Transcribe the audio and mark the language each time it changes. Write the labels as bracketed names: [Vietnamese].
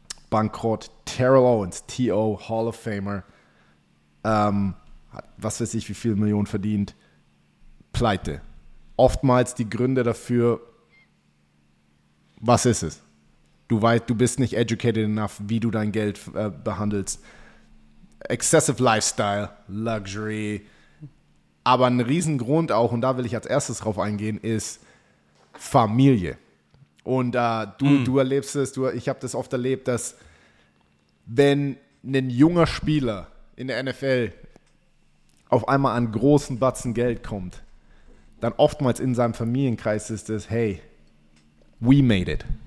[German] Bankrott. Terrell Owens, T.O., Hall of Famer. Was weiß ich, wie viele Millionen verdient. Pleite. Oftmals die Gründe dafür. Was ist es? du weißt, du bist nicht [English] educated enough, [German] wie du dein Geld behandelst. [English] Excessive Lifestyle, Luxury. [German] Aber ein Riesengrund auch, und da will ich als erstes drauf eingehen, ist Familie. Und du erlebst es, ich habe das oft erlebt, dass wenn ein junger Spieler in der NFL auf einmal an großen Batzen Geld kommt, dann oftmals in seinem Familienkreis ist es, [English] hey, we made it.